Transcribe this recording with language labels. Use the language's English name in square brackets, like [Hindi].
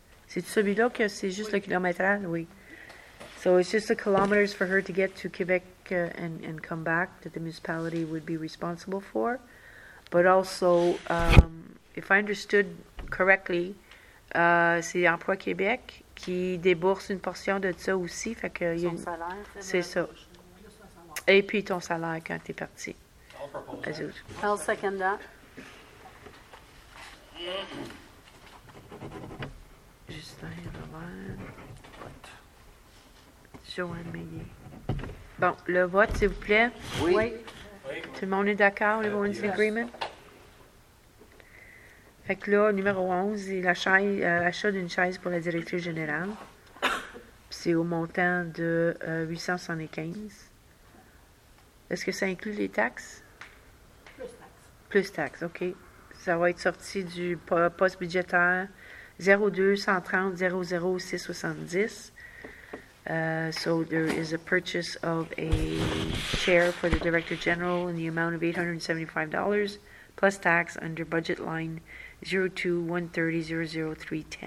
[French] C'est celui-là que c'est juste le kilométrage, oui. [English] So it's just the kilometers for her to get to Quebec and come back that the municipality would be responsible for. But also, if I understood correctly, [French] c'est Emploi Québec qui débourse une portion de ça aussi. Fait que son salaire. C'est ça. Et puis ton salaire quand t'es parti. [English] I'll propose that. I'll second that. Justin Robert. Joanne Meillet. [French] Bon, le vote, s'il vous plaît. Oui. Oui. Tout le monde est d'accord? [English] Everyone's in agreement? [French] Fait que là, numéro 11, c'est l'achat d'une chaise pour la directrice générale. C'est au montant de 875. Est-ce que ça inclut les taxes? Plus taxes. Plus taxes, OK. Ça va être sorti du poste budgétaire 02-130-00-670. [English] So there is a purchase of a chair for the Director General in the amount of $875 plus tax under budget line 02-130-00-310.